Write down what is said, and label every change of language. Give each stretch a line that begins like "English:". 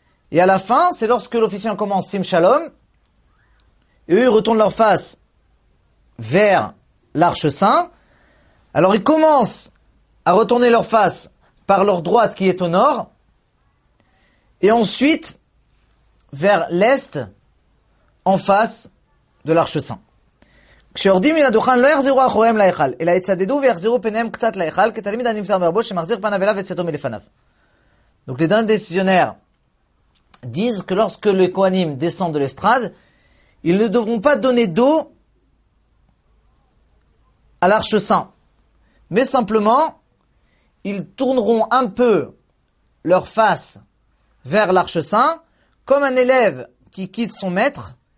French: Et à la fin, c'est lorsque l'officiant commence sim shalom, et eux, ils retournent leur face vers l'arche saint. Alors, ils commencent à retourner leur face par leur droite qui est au nord, et ensuite, vers l'est, en face de l'Arche Saint.
Hebrew: כשיורדים מן הדוכן לא יחזירו אחוריהם להיכל, אלא יצדדו ויחזירו פניהם קצת להיכל, כתלמיד הנמסר מרבו שמחזיר פניו אליו וצאתו מלפניו.
French: Donc les derniers décisionnaires disent que lorsque les Kohanim descendent de l'estrade, ils ne devront pas donner dos à l'Arche Saint, mais simplement, ils tourneront un peu leur face vers l'Arche Saint, comme un élève qui quitte son maître,